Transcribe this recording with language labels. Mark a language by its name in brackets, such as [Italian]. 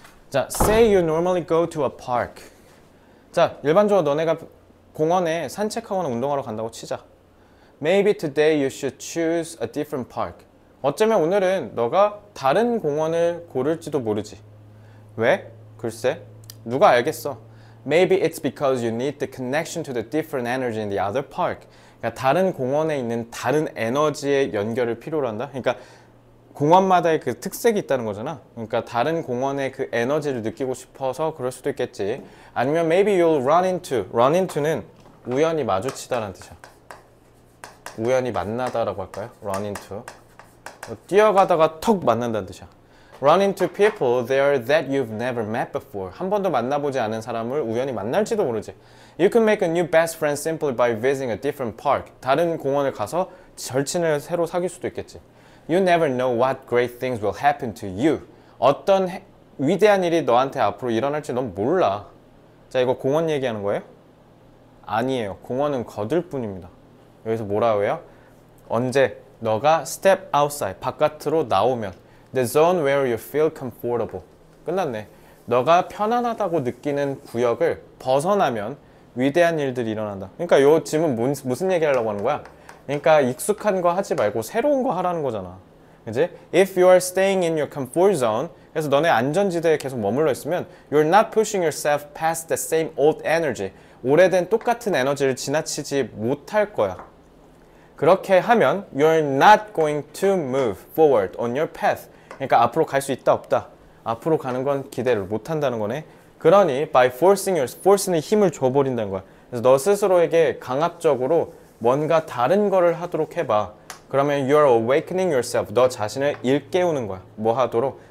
[English] 자, say you normally go to a park. [Korean] 자, 일반적으로 너네가 공원에 산책하거나 운동하러 간다고 치자. [English] Maybe today you should choose a different park. [Korean] 어쩌면 오늘은 너가 다른 공원을 고를지도 모르지. 왜? 글쎄, 누가 알겠어. [English] Maybe it's because you need the connection to the different energy in the other park. [Korean] 그러니까 다른 공원에 있는 다른 에너지의 연결을 필요로 한다. 그러니까 공원마다의 그 특색이 있다는 거잖아. 그러니까 다른 공원의 그 에너지를 느끼고 싶어서 그럴 수도 있겠지. 아니면 [English] maybe you'll run into는 [Korean] 우연히 마주치다라는 뜻이야. 우연히 만나다라고 할까요? [English] run into. [Korean] 뛰어가다가 턱 만난다는 뜻이야. [English] Run into people there that you've never met before. [Korean] 한 번도 만나보지 않은 사람을 우연히 만날지도 모르지. [English] You can make a new best friend simply by visiting a different park. [Korean] 다른 공원을 가서 절친을 새로 사귈 수도 있겠지. [English] You never know what great things will happen to you. [Korean] 어떤 위대한 일이 너한테 앞으로 일어날지 넌 몰라. 자, 이거 공원 얘기하는 거예요? 아니에요. 공원은 거들 뿐입니다. 여기서 뭐라고 해요? 언제 너가 [English] step outside, [Korean] 바깥으로 나오면 [English] The zone where you feel comfortable. [Korean] 끝났네. 너가 편안하다고 느끼는 구역을 벗어나면 위대한 일들이 일어난다. 그러니까 요 지금 무슨 얘기하려고 하는 거야? 그러니까 익숙한 거 하지 말고 새로운 거 하라는 거잖아. [English] 그지? If you are staying in your comfort zone, [Korean] 그래서 너네 안전지대에 계속 머물러 있으면 [English] you're not pushing yourself past the same old energy. [Korean] 오래된 똑같은 에너지를 지나치지 못할 거야. 그렇게 하면 [English] you're not going to move forward on your path. [Korean] 그러니까 앞으로 갈수 있다 없다. 앞으로 가는 건 기대를 못 한다는 거네. 그러니 [English] by forcing yourself, [Korean] force는 힘을 줘 버린다는 거야. 그래서 너 스스로에게 강압적으로 뭔가 다른 거를 하도록 해봐. 그러면 [English] you are awakening yourself, [Korean] 너 자신을 일깨우는 거야. 뭐 하도록?